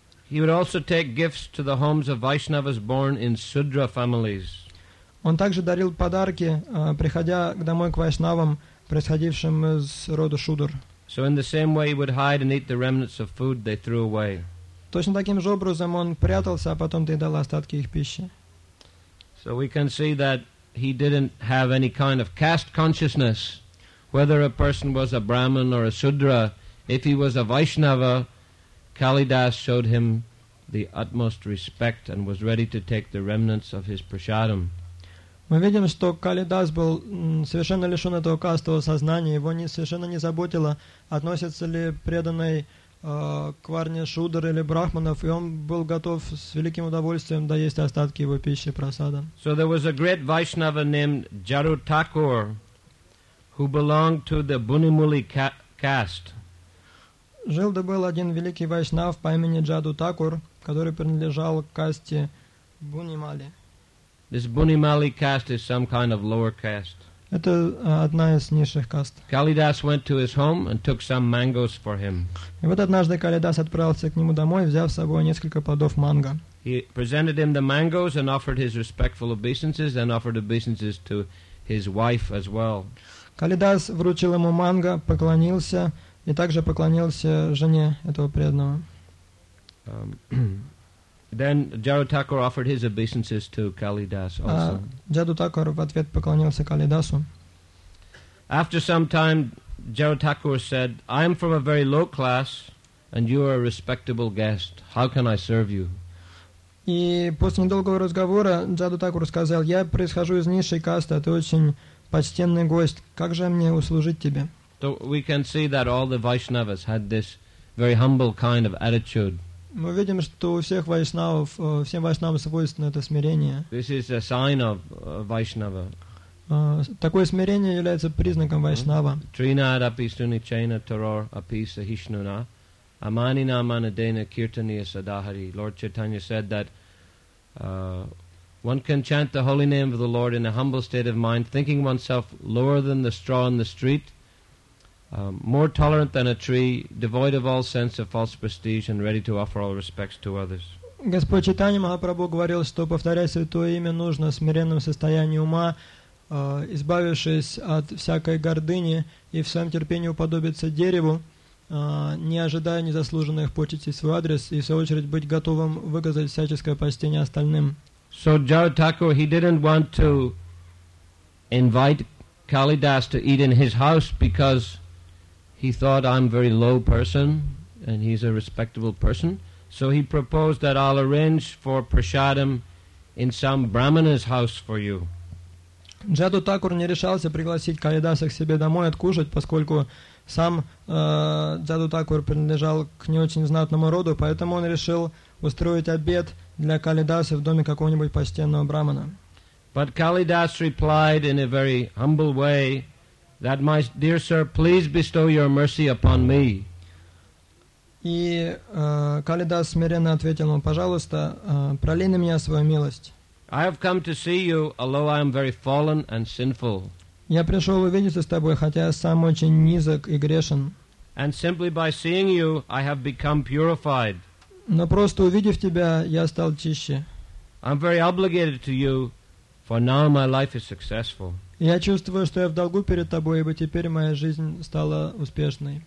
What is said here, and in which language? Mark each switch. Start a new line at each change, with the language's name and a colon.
English: He would also take gifts to the homes of Vaishnavas born in Sudra families.
Russian: Он также дарил подарки, приходя домой к вайшнавам, происходившим из рода Шудр.
English: So in the same way he would hide and eat the remnants of food they threw away.
Russian: Точно таким же образом он прятался, а потом доедал остатки их пищи.
English: So we can see that he didn't have any kind of caste consciousness, whether a person was a Brahman or a Sudra. If he was a Vaishnava, Kalidas showed him the utmost respect and was ready to take the remnants of his prasadam.
Russian: Мы видим, что Калидас был совершенно лишен этого кастового сознания. Его совершенно не заботило, относится ли преданный к варне шудр или брахманов, и он был готов с великим удовольствием доесть остатки его пищи, прасада.
English: So there was a great Vaishnava named Jaru Thakur, who belonged to the Bunimuli caste.
Russian: Жил да был один великий вайшнав по имени Джаду Такур, который принадлежал к касте Бунимали.
English: This Bunimali caste is some kind of lower caste.
Russian: Это одна из низших каст.
English: Kalidas went to his home and took some mangoes for him.
Russian: И вот однажды Калидас отправился к нему домой, взяв с собой несколько плодов манго.
English: He presented him the mangoes and offered his respectful obeisances and offered obeisances to his wife as well.
Russian: Калидас вручил ему манго, поклонился и также поклонился жене этого преданного.
English: Then Jaru Thakur offered his obeisances to Kalidas also.
Russian: Jaru Thakur в ответ поклонился Калидасу.
English: After some time, Jaru Thakur said, "I am from a very low class, and you are a respectable guest. How can I serve you?"
Russian: И после недолгого разговора Jaru Thakur сказал, "Я происхожу из низшей касты, а ты очень почтенный гость. Как же мне услужить тебе?"
English: So we can see that all the Vaishnavas had this very humble kind of attitude.
Russian: Мы видим, что у всех вайшнавов, всем вайшнавам свойственно это смирение.
English: This is a sign of Vaishnava.
Russian: Такое смирение является признаком вайшнава.
Sanskrit: Trinad api suni chena taror api sahishnuna amanina manadena kirtaniya sadahari.
English: Lord Chaitanya said that one can chant the holy name of the Lord in a humble state of mind, thinking oneself lower than the straw in the street, more tolerant than a tree, devoid of all sense of false prestige, and ready to offer all respects to others.
Russian: Господь Чайтанья Махапрабху говорил, что повторять святое имя нужно в смиренном состоянии ума, избавившись от всякой гордыни и в своем терпении уподобиться дереву, не ожидая незаслуженных почестей в свой адрес, и в свою очередь быть готовым выказать всяческое почтение остальным.
English: So Jaru Thakur, he didn't want to invite Kalidas to eat in his house because he thought, "I'm a very low person, and he's a respectable person." So he proposed that I'll arrange for prasadam in some brahmana's house for you.
Russian: Jaru Thakur не решался пригласить Калидаса к себе домой откушать, поскольку сам Jaru Thakur принадлежал к не очень знатному роду, поэтому он решил устроить обед для Калидаса в доме какого-нибудь почтенного брахмана.
English: But Kalidas replied in a very humble way, that, "My dear sir, please bestow your mercy upon me."
Russian: И Калидас смиренно ответил ему, "Пожалуйста, пролей на меня свою милость."
English: "I have come to see you, although I am very fallen and sinful."
Russian: Я пришел увидеться с тобой, хотя сам очень низок и грешен.
English: "And simply by seeing you, I have become purified."
Russian: Но просто увидев тебя, я стал чище.
English: "I am very obligated to you, for now my life is successful."
Russian: Я чувствую, что я в долгу перед тобой, ибо теперь моя жизнь стала успешной.